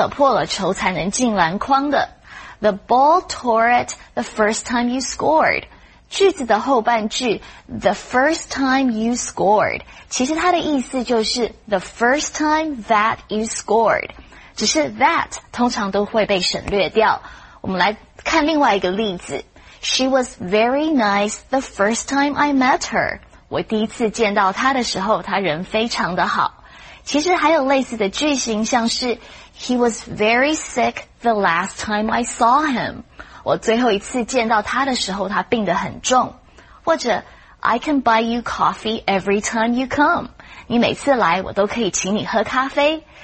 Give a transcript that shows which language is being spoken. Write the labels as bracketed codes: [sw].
[zh] 所以第一次得分的时候就是因为球把塑胶片扯破了。就是因为扯破了球才能进篮筐的。 [en] The ball tore it the first time you scored. [zh] 句子的后半句, [en] the first time you scored. [zh] 其实它的意思就是 [en] the first time that you scored. [zh] 只是that通常都会被省略掉。我们来看另外一个例子。 [en] She was very nice the first time I met her. [zh] 我第一次见到他的时候,他人非常的好。其实还有类似的句型,像是 [en] He was very sick the last time I saw him. [zh] 我最后一次见到他的时候他病得很重。或者 [en] I can buy you coffee every time you come. [zh] 你每次来我都可以请你喝咖啡。